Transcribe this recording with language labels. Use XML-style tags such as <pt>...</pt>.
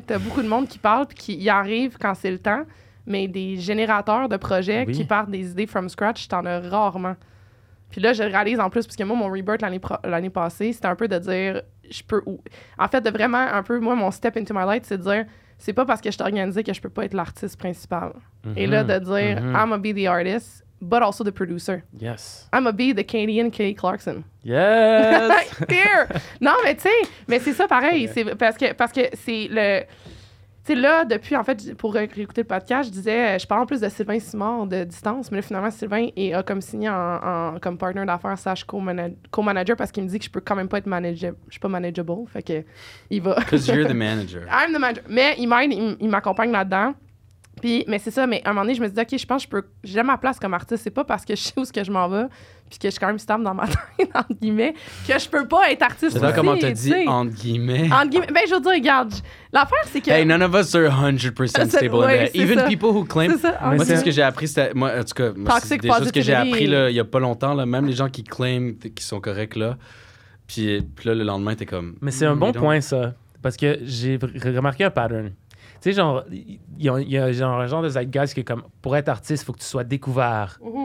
<fr>T'as beaucoup de monde qui parle puis qui y arrive quand c'est le temps. Mais des générateurs de projets qui partent des idées</fr> <en>from scratch,</en> <fr>t'en as rarement. Puis là, je réalise en plus, parce que moi, mon rebirth l'année passée, c'était un peu de dire, je peux... En fait, de vraiment un peu, moi, mon</fr> <en>step into my light,</en> <fr>c'est de dire... C'est pas parce que je t'ai organisé que je peux pas être l'artiste principal. Et là, de dire,</fr> <en>I'm gonna be the artist, but also the producer. Yes. I'm gonna be the Canadian Kelly Clarkson. Yes! Here!</en> <fr>Non, mais tu sais, mais c'est ça pareil. Okay. C'est parce que c'est le... Tu sais, là, depuis, en fait, pour réécouter le podcast, je disais, je parle en plus de Sylvain Simard de distance, mais là, finalement, Sylvain a comme signé comme partner d'affaires slash co-manager parce qu'il me dit que je peux quand même pas être manageable. Je suis pas manageable, fait que il va...</fr> <en>Because you're the manager. I'm the manager.</en> <fr>Mais il m'aide, il m'accompagne là-dedans. Puis, mais c'est ça, mais à un moment donné, je me dis, OK, je pense que je peux... J'ai ma place comme artiste, c'est pas parce que je sais où est-ce que je m'en vais puis que je suis quand même stable dans ma tête, entre guillemets, que je peux pas être artiste. C'est pas comment t'as dit, entre guillemets. Entre guillemets. Ben, je veux dire, regarde, l'affaire, c'est que...</fr> <en>Hey, none of us are 100% stable in that. Even people who claim...</en> <fr>C'est ça. Moi, c'est ce que j'ai appris, c'était... Moi, en tout cas, c'est des choses que j'ai appris il y a pas longtemps, là, même les gens qui claim qu'ils sont corrects, là, puis là, le lendemain, t'es comme... Mais c'est un bon point, ça, parce que j'ai remarqué un pattern. Tu sais, genre, il y a genre un genre de zeitgeist qui est comme, pour être artiste, il faut que tu sois découvert.</fr>